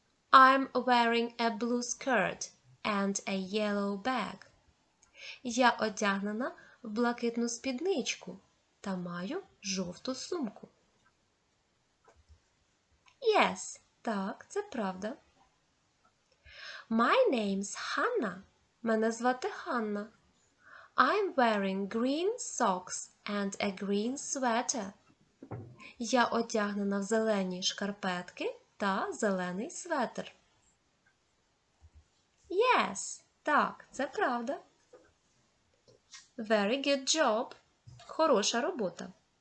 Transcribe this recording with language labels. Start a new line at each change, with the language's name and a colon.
English: I'm wearing a blue skirt and a yellow bag.
Ukrainian: Я одягнена в блакитну спідничку та маю жовту сумку.
English: Yes,
Ukrainian: так, це правда.
English: My name's Hannah.
Ukrainian: Мене звати Ханна.
English: I'm wearing green socks and a green sweater.
Ukrainian: Я одягнена в зелені шкарпетки та зелений светр. Yes, Так, це правда.
English: Very good job.
Ukrainian: Хороша робота.